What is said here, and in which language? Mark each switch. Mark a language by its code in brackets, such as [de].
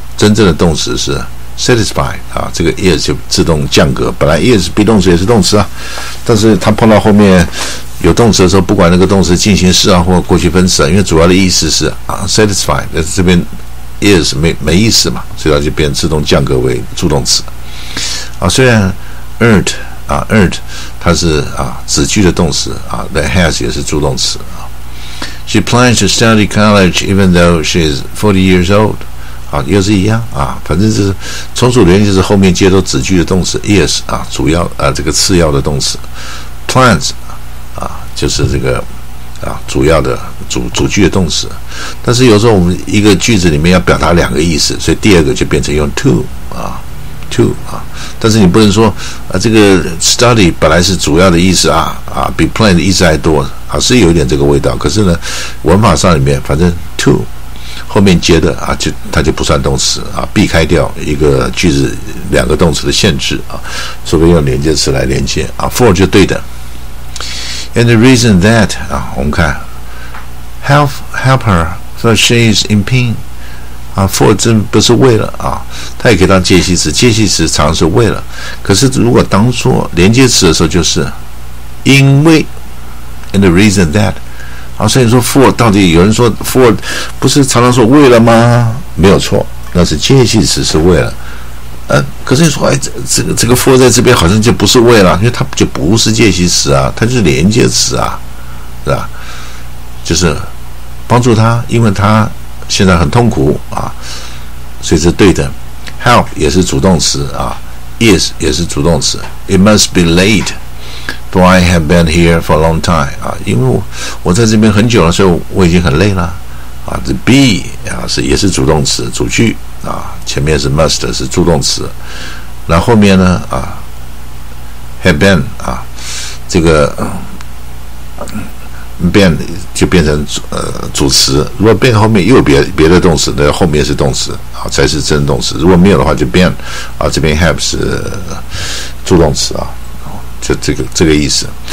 [zh] 真正的动词是 satisfy 啊，这个 is 就自动降格，本来 is be 动词也是动词啊，但是它碰到后面有动词的时候，不管那个动词进行式啊或过去分词啊，因为主要的意思是啊 satisfy， 但是这边 is 没意思嘛，所以它就变自动降格为助动词啊。虽然 earned 啊 earned 它是啊子句的动词啊 ，that has 也是助动词啊。 [en] She plans to study college even though she is 40 years old。 [zh] 啊，又是一样啊，反正就是从属连接词后面接着子句的动词 yes 啊，主要啊这个次要的动词 plans 啊，就是这个啊，主要的主句的动词。但是有时候我们一个句子里面要表达两个意思，所以第二个就变成用 to 啊 to 啊。但是你不能说啊，这个 study 本来是主要的意思啊，比 plan 的意思还多啊，是有点这个味道。可是呢，文法上里面反正 to 后面接的啊，就它就不算动词啊，避开掉一个句子两个动词的限制啊，除非用连接词来连接啊 ，for 就对的。 [en] And the reason that [zh] 啊，我们看 [en] help her, so she is in pain。 [zh] 啊 ，for 这不是为了啊，它也可以当介系词，介系词常是为了。可是如果当做连接词的时候，就是因为 ， [en] and the reason that， [zh] 啊，所以说 for 到底有人说 for 不是常常说为了吗？没有错，那是介系词是为了。可是你说，哎，这个 for 在这边好像就不是为了，因为它就不是介系词啊，它就是连接词啊，是吧？就是帮助他，因为他。现在很痛苦啊，所以是对的。 Help 也是主动词啊 ，is 也是主动词。 [en] It must be late, for I have been here for a long time [zh] 啊，因为我在这边很久了，所以我已经很累了啊。 The be 啊是也是主动词主句啊，前面是 must 是助动词，那 后面呢啊 ，have been 啊这个。变就变成主词，如果变后面又有别的动词，那后面是动词啊，才是真动词。如果没有的话，就变啊，这边 have 是助动词啊，就这个意思。